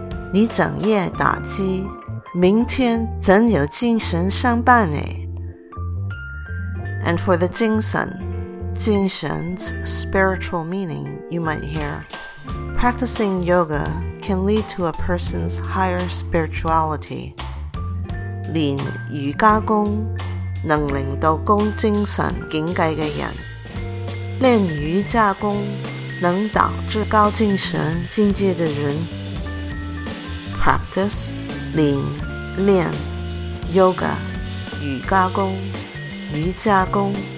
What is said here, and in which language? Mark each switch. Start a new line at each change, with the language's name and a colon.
Cantonese: 你整夜打機, 明天怎有精神上班呢?
English: And for the 精神, 精神's spiritual meaning, you might hear, practicing yoga can lead to a person's higher spirituality.
Cantonese: 練瑜伽功, 能令到高精神境界的人, 練瑜伽功, 能導致高精神境界的人,
English: practice,
Cantonese: 練, 練, yoga, 瑜伽功, 瑜伽功,